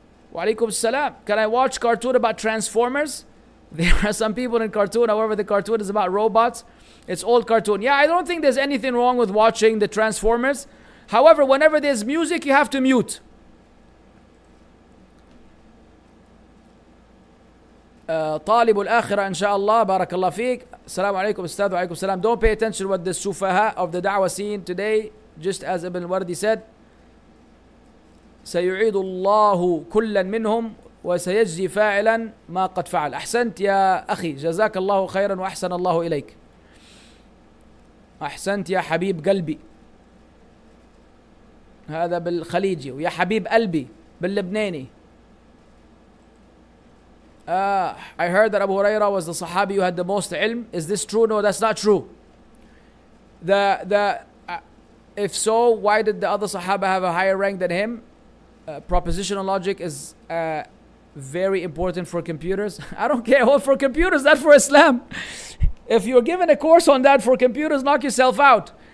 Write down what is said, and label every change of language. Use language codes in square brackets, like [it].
[en] Wa alaikum salam. Can I watch cartoon about Transformers? There are some people in cartoon. However, the cartoon is about robots. It's old cartoon. Yeah, I don't think there's anything wrong with watching the Transformers. However, whenever there's music, you have to mute. [ar] طالب الآخرة إن شاء الله بارك الله فيك السلام عليكم أستاذ وعليكم السلام [en] don't pay attention to what the sufaha of the da'wah seen today just as Ibn Wardi said [ar] سيعيد الله كلا منهم وسيجزي فاعلا ما قد فعل أحسنت يا أخي جزاك الله خيرا وأحسن الله إليك أحسنت يا حبيب قلبي هذا بالخليجي ويا حبيب قلبي باللبناني [en] I heard that Abu Huraira was the Sahabi who had the most ilm. Is this true? No, that's not true. If so, why did the other Sahaba have a higher rank than him? Propositional logic is very important for computers. I don't care. Oh, for computers, not for Islam. If you're given a course on that for computers, knock yourself out.